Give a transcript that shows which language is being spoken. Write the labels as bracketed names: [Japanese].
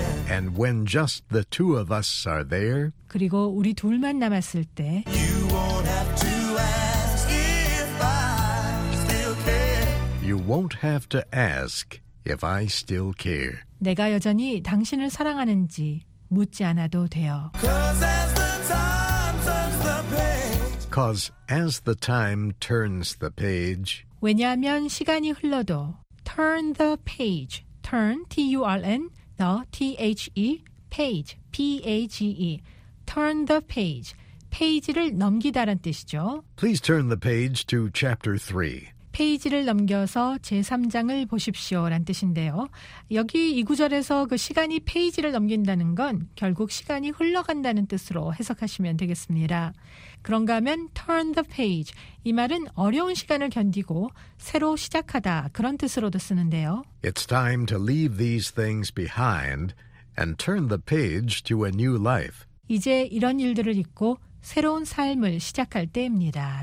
[English] And when just the two of us are there, [Korean] 그리고 우리 둘만 남았을 때, [English] you won't have to ask if I still care. You won't have to ask if I still care. [Korean] 내가 여전히 당신을 사랑하는지 묻지 않아도 돼요. [English] Cause as the time turns the page. Cause as the time turns the page. [Korean] 왜냐하면 시간이 흘러도 [English] turn the page. Turn, T-U-R-N. The, T-H-E, page, P-A-G-E, turn the page, [Korean] 페이지를 넘기다란 뜻이죠. [English] Please turn the page to chapter 3. [Korean] 페이지를 넘겨서 제3장을 보십시오란 뜻인데요. 여기 이 구절에서 그 시간이 페이지를 넘긴다는 건 결국 시간이 흘러간다는 뜻으로 해석하시면 되겠습니다. 그런가 하면 [English] turn the page, [Korean] 이 말은 어려운 시간을 견디고 새로 시작하다 그런 뜻으로도 쓰는데요. [English] It's time to leave these things behind and turn the page to a new life. [Korean] 이제 이런 일들을 잊고 새로운 삶을 시작할 때입니다.